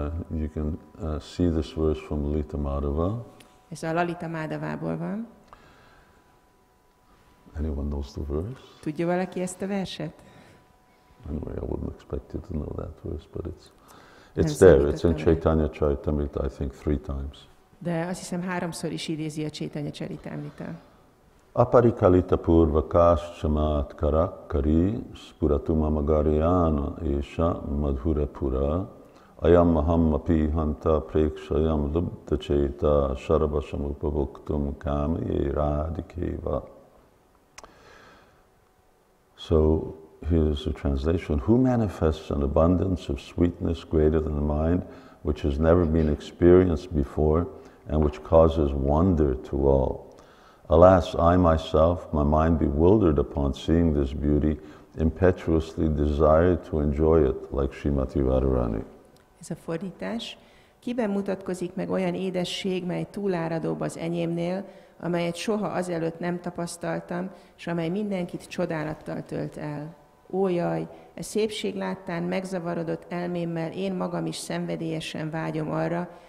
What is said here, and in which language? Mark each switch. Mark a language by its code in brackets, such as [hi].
[en] And you can see this verse from Lalita Madhava. [hu] Ez a Lalita Madhavából van. [en] Anyone knows the verse? [hu] Tudja valaki ezt a verset? [en] Anyway, I wouldn't expect you to know that verse, but it's there. It's in Chaitanya Charitamrita, I think, 3 times. [hu] De azt hiszem háromszor is idézi a Chaitanya Charitamrita. [sa] Aparikalita purva kaschamat karakkari spuratuma magariana esha madhura pura ayam maham api hanta prekshayam lubda cheta sharabasham upavuktum kamye radikeva. [en] So here's a translation. Who manifests an abundance of sweetness greater than the mind, which has never been experienced before and which causes wonder to all? Alas, I myself, my mind bewildered upon seeing this beauty, impetuously desired to enjoy it like Srimati Radharani. [hu] Ez a fordítás. Kiben mutatkozik meg olyan édesség, mely túláradóbb az enyémnél, amelyet soha azelőtt nem tapasztaltam, és amely mindenkit csodálattal tölt el. Ó jaj, a szépség láttán megzavarodott elmémmel én magam is szenvedélyesen vágyom arra,